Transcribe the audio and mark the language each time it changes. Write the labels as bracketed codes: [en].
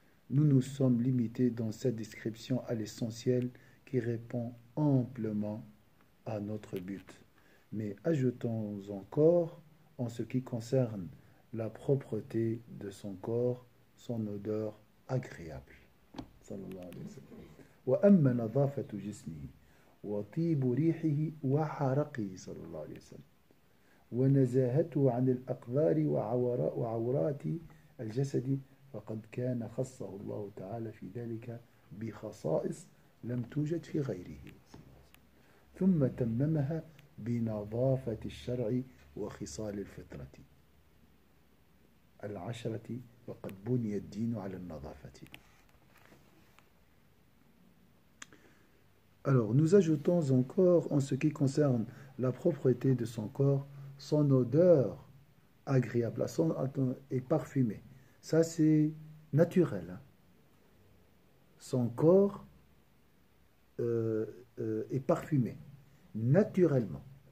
[fr] Nous nous sommes limités dans cette description à l'essentiel qui répond amplement à notre but. Mais ajoutons encore en ce qui concerne la propreté de son corps, son odeur agréable. [ar] Sallallahu alayhi wa sallam. وأما نظافة جسمه وطيب ريحه وحرقه صلى الله عليه وسلم ونزاهته عن الأقذار وعورات الجسد فقد كان خصه الله تعالى في ذلك بخصائص لم توجد في غيره ثم تممها بنظافة الشرع وخصال الفطرة العشرة وقد بني الدين على النظافة. [fr] Alors, nous ajoutons encore en ce qui concerne la propreté de son corps, son odeur agréable et parfumée, Ça, c'est naturel. Son corps est parfumé naturellement.